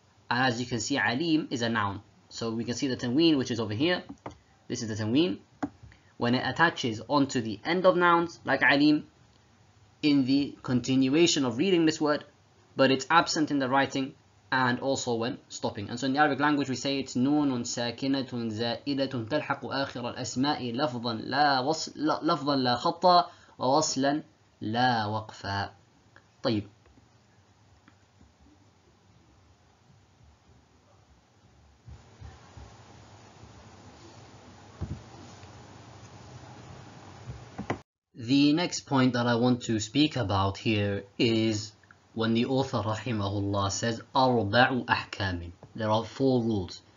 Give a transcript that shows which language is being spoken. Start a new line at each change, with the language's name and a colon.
English: And as you can see, alim is a noun. So we can see the tanween, which is over here. This is the tanween. When it attaches onto the end of nouns, like alim, in the continuation of reading this word, but it's absent in the writing and also when stopping.
Arabic: And so in the Arabic language we say it's نون ساكنة زائدة تلحق آخر الأسماء لفظا لا خطا ووصلا لا وقفا.
English: طيب, the next point that I want to speak about here is when the author rahimahullah says arba'u ahkamin, there are four rules.